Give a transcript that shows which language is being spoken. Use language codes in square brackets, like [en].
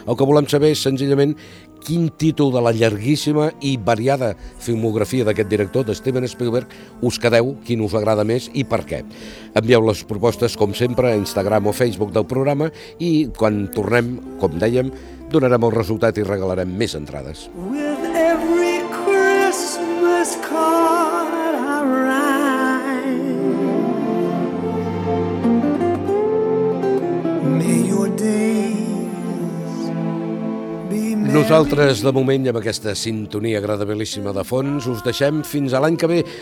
[ca] El que volem saber és, senzillament, quin títol de la llarguíssima i variada filmografia d'aquest director, de Steven Spielberg, us quedeu, quin us agrada més i per què. Envieu les propostes, com sempre, a Instagram o Facebook del programa i quan tornem, com dèiem, donarem el resultat i regalarem més entrades. [en] With every Christmas card I write, may your days be merry. [ca] Nosaltres, de moment, amb aquesta sintonia agradabilíssima de fons, us deixem fins a l'any que ve.